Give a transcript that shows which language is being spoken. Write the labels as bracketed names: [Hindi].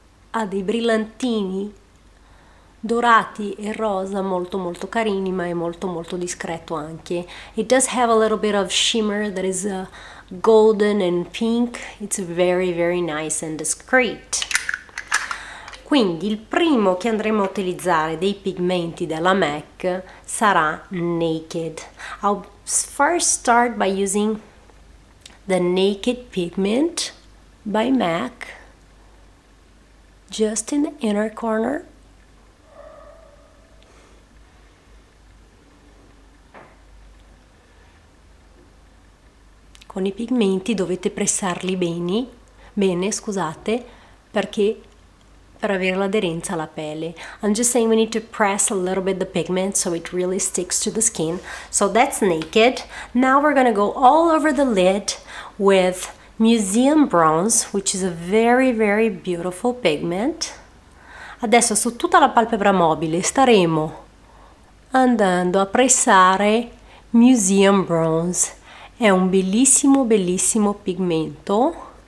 [Italian] Ha dei brillantini dorati e rosa, molto molto carini, ma è molto molto discreto anche. [English] It does have a little bit of shimmer that is golden and pink. It's very very nice and discreet. [Italian] Quindi il primo che andremo a utilizzare dei pigmenti della MAC sarà Naked. [English] I'll first start by using the Naked pigment by MAC just in the inner corner. [Italian] Con i pigmenti dovete pressarli bene, perché per avere l'aderenza alla pelle. [English] I'm just saying we need to press a little bit the pigment so it really sticks to the skin. So that's Naked. Now we're gonna go all over the lid with Museum Bronze, which is a very very beautiful pigment. [Italian] Adesso su tutta la palpebra mobile staremo andando a pressare Museum Bronze. È un bellissimo, bellissimo pigmento.